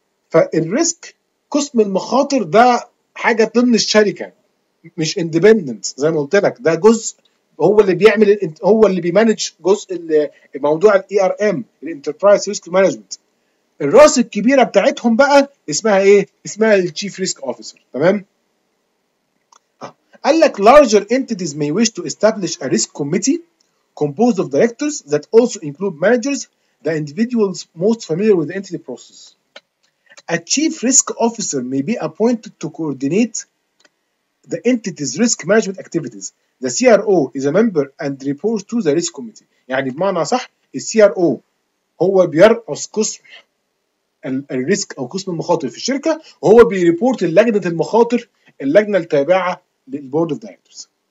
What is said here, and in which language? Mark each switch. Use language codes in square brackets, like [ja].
[ar] فالريسك قسم المخاطر ده حاجه ضمن الشركه مش اندبندنت، زي ما قلت لك ده جزء هو اللي بيعمل، هو اللي بيمانج جزء موضوع الاي ار ام الانتربرايز ريسك مانجمنت. الراس الكبيره بتاعتهم بقى اسمها ايه؟ اسمها التشيف ريسك اوفيسر تمام. قال لك [en] larger entities may wish to establish a risk committee composed of directors that also include managers, the individuals most familiar with the entity process. A chief risk officer may be appointed to coordinate the entity's risk management activities. The CRO is a member and reports to the risk committee. [ar] يعني بمعنى صح CRO هو بيرأس قسم الريسك او قسم المخاطر في الشركه، وهو بيريبورت للجنه المخاطر، اللجنه التابعه للبورد اوف دايركتورز.